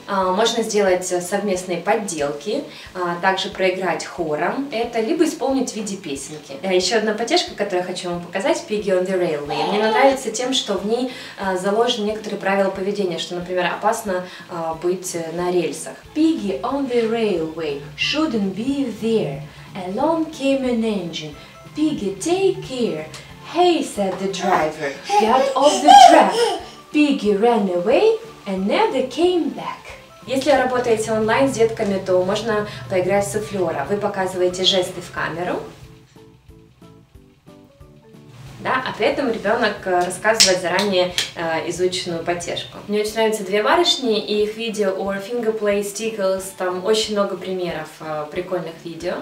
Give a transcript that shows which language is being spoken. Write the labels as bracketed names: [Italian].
[Russian] Можно сделать совместные подделки, также проиграть хором это, либо исполнить в виде песенки. Еще одна потешка, которую я хочу вам показать, Piggy on the Railway. Мне нравится тем, что в ней заложены некоторые правила поведения, что, например, опасно быть на рельсах. [English] Piggy on the railway shouldn't be there. Along came an engine. Piggy, take care. Hey, said the driver, get off the track. Piggy ran away and never came back. [Russian] Если работаете онлайн с детками, то можно поиграть в суфлера. Вы показываете жесты в камеру. Да, а при этом ребенок рассказывает заранее изученную потешку. Мне очень нравятся две барышни, и их видео о finger play stickles, там очень много примеров прикольных видео.